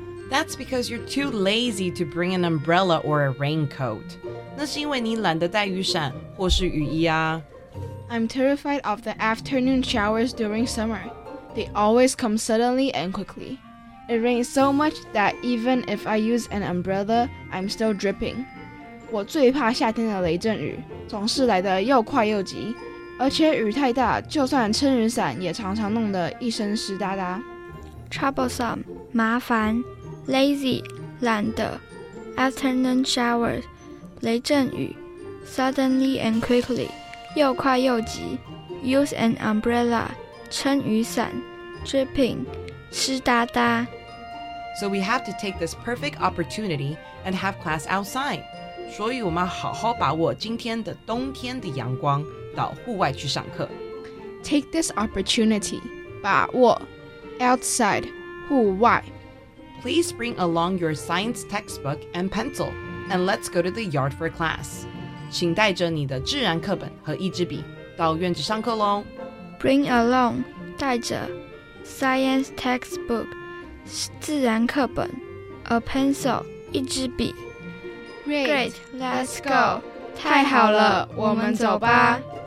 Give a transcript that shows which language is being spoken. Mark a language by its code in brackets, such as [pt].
[en] That's because you're too lazy to bring an umbrella or a raincoat [zh] 那是因为你懒得带雨伞或是雨衣啊 [en] I'm terrified of the afternoon showers during summer. They always come suddenly and quickly. It rains so much that even if I use an umbrella, I'm still dripping. [zh] 我最怕夏天的雷阵雨，总是来得又快又急，而且雨太大，就算撑雨伞也常常弄得一身湿哒哒。 [en] Troublesome, 麻烦 Lazy, 懒得 Afternoon showers, 雷阵雨 Suddenly and quickly. 又快又急 use an umbrella, 撑雨伞 dripping, 湿哒哒 So we have to take this perfect opportunity and have class outside. [zh] 所以我们好好把握今天的冬天的阳光到户外去上课 [en] Take this opportunity, 把握 outside, 户外 Please bring along your science textbook and pencil and let's go to the yard for class. [zh] 请带着你的自然课本和一支笔到院子上课咯 [en] Bring along 带着 Science textbook 自然课本 A pencil 一支笔 Great, let's go [zh] 太好了我们走吧